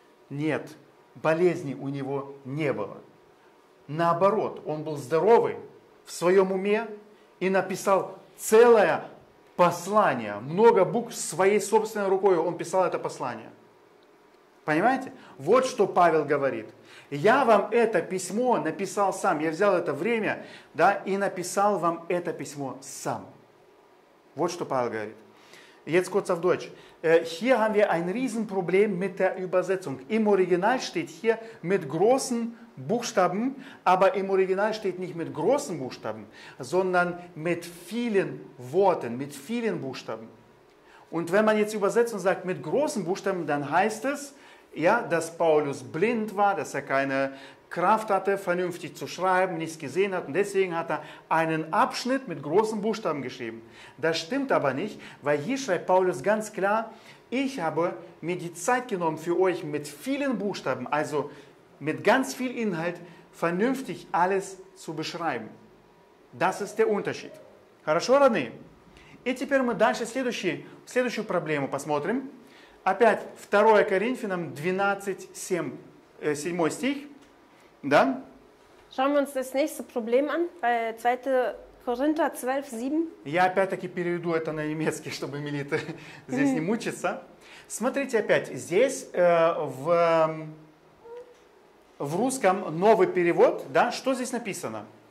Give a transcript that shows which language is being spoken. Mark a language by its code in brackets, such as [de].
[ru] Нет, болезни у него не было. Наоборот, он был здоровый, в своем уме и написал целое послание, много букв своей собственной рукой он писал это послание. Понимаете? Вот что Павел говорит. Я вам это письмо написал сам. Я взял это время, да, и написал вам это письмо сам. Вот что Павел говорит. [de] Jetzt kurz auf Deutsch. Hier haben wir ein Riesenproblem mit der Übersetzung. Im Original steht hier mit großen Buchstaben, aber im Original steht nicht mit großen Buchstaben, sondern mit vielen Worten, mit vielen Buchstaben. Und wenn man jetzt übersetzt und sagt mit großen Buchstaben, dann heißt es, ja, dass Paulus blind war, dass er keine Kraft hatte, vernünftig zu schreiben, nichts gesehen hat. Und deswegen hat er einen Abschnitt mit großen Buchstaben geschrieben. Das stimmt aber nicht, weil hier schreibt Paulus ganz klar, ich habe mir die Zeit genommen für euch mit vielen Buchstaben, also mit ganz viel Inhalt, vernünftig alles zu beschreiben. Das ist der Unterschied. [ru] Хорошо, родные? И теперь мы дальше следующую проблему посмотрим. Опять 2 Коринфянам 12:7 стих. Да? [de] Schauen wir uns das nächste Problem an, bei 2 Korinther 12:7. [ru] Я опять-таки переведу это на немецкий, чтобы Милита здесь не мучиться. Смотрите опять, здесь в русском новый перевод, да, что здесь написано?